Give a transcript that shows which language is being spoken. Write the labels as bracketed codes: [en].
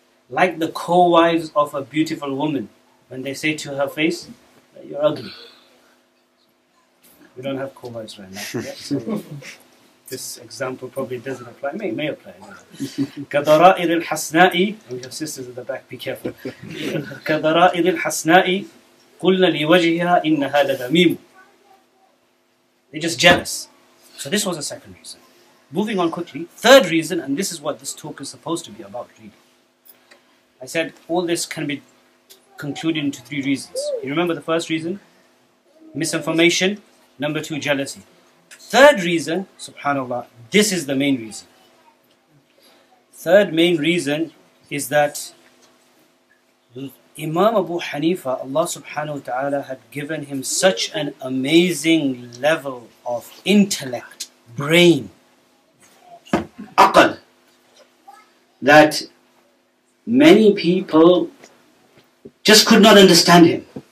[en] Like the co-wives of a beautiful woman, when they say to her face, you're ugly. We don't have co-wives right now. This example probably doesn't apply. May apply. [ar] كَدَرَائِرِ الْحَسْنَاءِ [en] And your sisters at the back, be careful. [ar] كَدَرَائِرِ الْحَسْنَاءِ قُلْنَا لِوَجْهِهَا إِنَّهَا لَذَمِيمٌ [en] They're just jealous. So this was a second reason. Moving on quickly, third reason, and this is what this talk is supposed to be about, really. I said all this can be concluded into three reasons. You remember the first reason? Misinformation. Number two, jealousy. Third reason, subhanAllah, this is the main reason. Third main reason is that Imam Abu Hanifa, Allah subhanahu wa ta'ala, had given him such an amazing level of intellect, brain, aql, that many people just could not understand him.